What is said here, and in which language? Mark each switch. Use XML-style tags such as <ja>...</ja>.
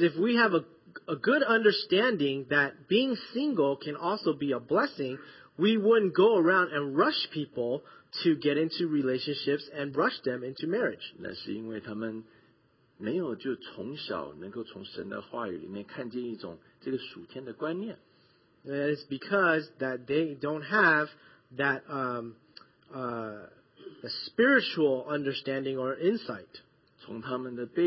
<en>if we have a good understanding that being single can also be a blessing, we wouldn't go around and rush people to get into relationships and rush them into marriage.</en> <zh>那是因为他们没有就从小能够从神的话语里面看见一种这个属天的观念。</zh> <en>That is because that they don't have that the spiritual understanding or insight.</en>